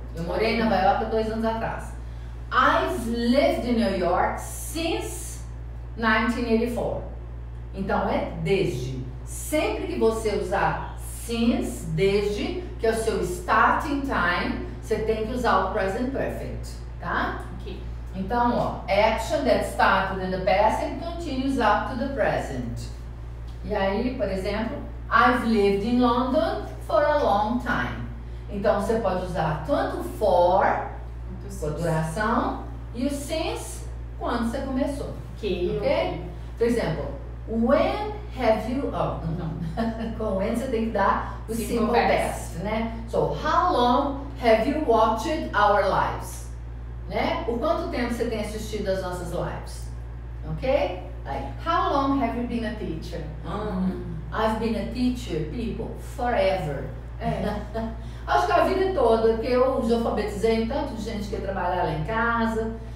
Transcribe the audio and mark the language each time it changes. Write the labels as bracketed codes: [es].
[pt] Eu morei em Nova York 2 anos atrás. [en] I've lived in New York since 1984. [pt] Então é desde. Sempre que você usar since, desde, que é o seu starting time, você tem que usar o present perfect, tá? Okay. Então, ó, [en] action that started in the past and continues up to the present. [pt] E aí, por exemplo, [en] I've lived in London for a long time. [pt] Então, você pode usar tanto for, com duração, e o since, quando você começou. Okay. Okay? Por exemplo, [en] when have you... [pt] Oh, não. Com when você tem que dar o simple past, né? [en] So, how long have you watched our lives? [pt] Né? O quanto tempo você tem assistido às nossas lives? Ok? [en] Like, how long have you been a teacher? I've been a teacher, people, forever. [pt] É. Acho que a vida toda, que eu já alfabetizei tanto gente que trabalha lá em casa.